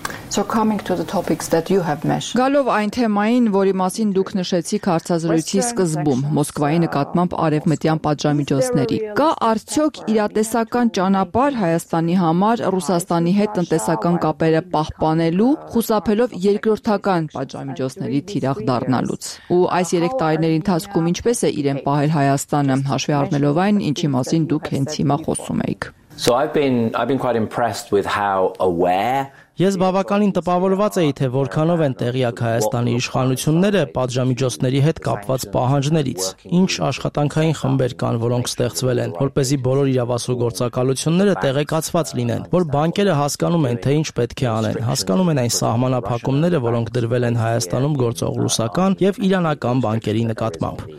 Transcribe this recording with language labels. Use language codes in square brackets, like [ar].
[en] So coming to the topics that you have mentioned. [hy] Գալով այն թեմային, որի մասին դուք նշեցիք հարցազրույցի սկզբում, Մոսկվայի նկատմամբ արևմտյան պատժամիջոցների, կա արդյոք իրատեսական ճանապարհ Հայաստանի համար Ռուսաստանի հետ տնտեսական կապերը պահպանելու, խուսափելով երկրորդական պատժամիջոցների թիրախ դառնալուց։ Ու այս 3 տարիների ընթացքում ինչպես է իրեն պահել Հայաստանը, հաշվի առնելով այն, ինչի մասին դուք հենց հիմա խոսում եք։ [en] So I've been quite impressed with how aware [hy] Ես բավականին տպավորված էի, թե որքանով են տեղյակ Հայաստանի իշխանությունները պատժամիջոցների հետ կապված պահանջներից։ Ինչ աշխատանքային խմբեր կան, որոնք ստեղծվել են, որպեսզի բոլոր իրավասու գործակալությունները տեղեկացված լինեն, որ բանկերը հասկանում են, թե ինչ պետք է անեն, հասկանում են այն սահմանափակումները, որոնք դրվել են Հայաստանում գործող ռուսական և իրանական բանկերի նկատմամբ։